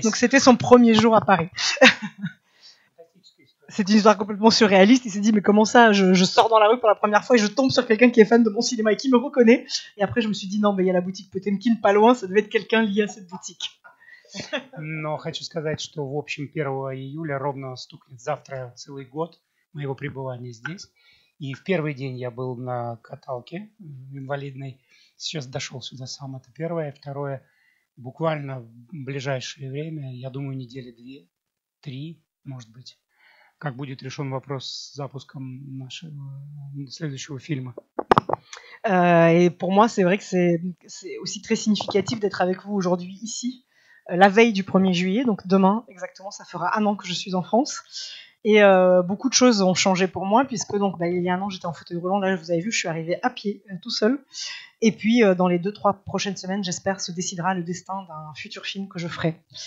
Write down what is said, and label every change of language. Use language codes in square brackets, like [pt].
[fr] Donc c'était son premier jour à Paris. C'est une histoire complètement surréaliste. Il s'est dit, mais comment ça, je sors dans la rue pour la première fois et je tombe sur quelqu'un qui est fan de mon cinéma et qui me reconnaît. Et après, je me suis dit, non, mais il y a la boutique Potemkin pas loin, ça devait être quelqu'un lié à cette boutique. [ru] Но хочу сказать, что в общем 1 июля ровно стукнет завтра целый год моего пребывания здесь. И в первый день я был на каталке инвалидной. Сейчас дошел сюда сам, это первое. Второе, буквально в ближайшее время, я думаю, недели две, три, может быть, как будет решен вопрос с запуском нашего следующего фильма. [fr] Et pour moi, c'est vrai que c'est aussi très significatif d'être avec vous aujourd'hui ici. La veille du 1er juillet, donc demain exactement, ça fera un an que je suis en France. Et beaucoup de choses ont changé pour moi, puisque donc, bah, il y a un an, j'étais en fauteuil roulant. Là, vous avez vu, je suis arrivée à pied, tout seul. Et puis, dans les 2-3 prochaines semaines, j'espère, se décidera le destin d'un futur film que je ferai.